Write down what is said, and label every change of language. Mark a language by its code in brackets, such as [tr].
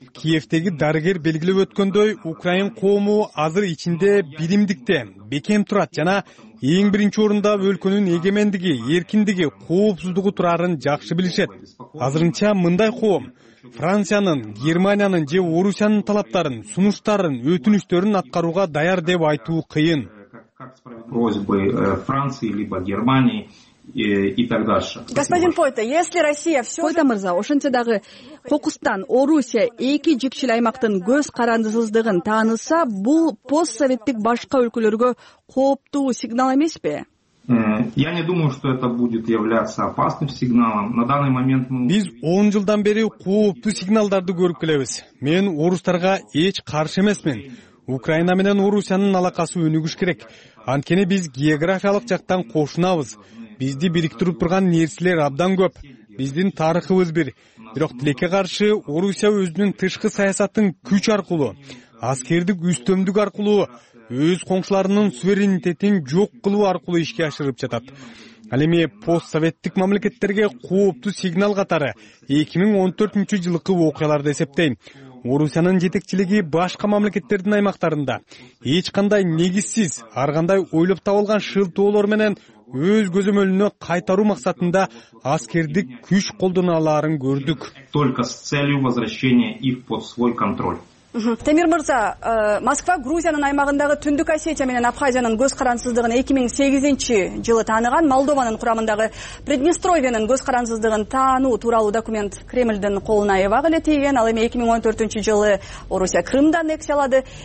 [ky] Киевтеги дарыгер белгилеп өткөндөй, Украин коому азыр ичинде биримдикте бекем турат жана эң биринчи орунда өлкөнүн эгемендиги, эркиндиги, коопсуздугу турарын жакшы билишет. Азырынча мындай коом Франциянын, Германиянын же Орусиянын талаптарын, сунуштарын, өтүнүчтөрүн аткарууга даяр деп айтуу кыйын. [ru] Просьбы Франции либо Германии и так дальше. Господин Пойта, если Россия все [ky] Пойта мырза, ошентедагы кокустан Орусия эки жикчил аймактын көз карандысыздыгын тааныса, бул постсоветтик башка өлкөлөргө кооптуу сигнал эмеспи? [ru] Я не думаю, что это будет являться опасным сигналом. На данный момент мы [ky] Биз 10 жылдан бери кооптуу сигналдарды көрүп келебиз. Мен орустарга эч каршы эмесмин. Украина менен Орусиянын алакасы өнүгүш керек. Анткени биз географиялык жактан кошунабыз. Бизди бириктирип турган нерселер абдан көп. Биздин тарыхыбыз бир. Бирок тилекке каршы Орусия өзүнүн тышкы саясатын күч аркылуу, аскердик үстөмдүк аркылуу, өз коңшуларынын суверенитетин жок кылуу аркылуу ишке ашырып жатат. Ал эми постсоветтик мамлекеттерге кооптуу сигнал катары 2014 жылкы окуяларды эсептейм. Орусиянын жетекчилиги башка мамлекеттердин аймактарында эч кандай негизсиз, ар кандай ойлоп табылган шылтоолор менен өз көзөмөлүнө кайтаруу максатында аскердик күч колдонуларын көрдүк. [ru] Только с целью возвращения их под свой контроль. [ky] Темир мырза, Москва Грузиянын аймагындагы Түндүк Осетия менен Абхазиянын көз карандысыздыгын 2008 жылы тааныган, Молдованын курамындагы Приднестровьянын көз карандысыздыгын таануу тууралуу документ Кремлдин колуна эбак эле тийген, ал эми 2014 жылы Орусия Крымды аннексиялады.